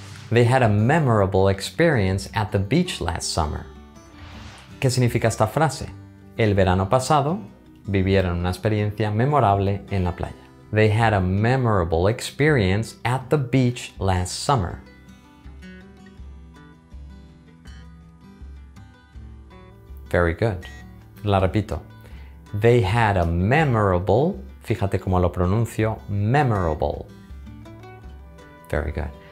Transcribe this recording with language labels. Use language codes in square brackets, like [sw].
[en] They had a memorable experience at the beach last summer. [es] ¿Qué significa esta frase? El verano pasado vivieron una experiencia memorable en la playa. [en] They had a memorable experience at the beach last summer. Very good. [es] La repito. [en] They had a memorable, [es] fíjate cómo lo pronuncio, [en] memorable. Very good.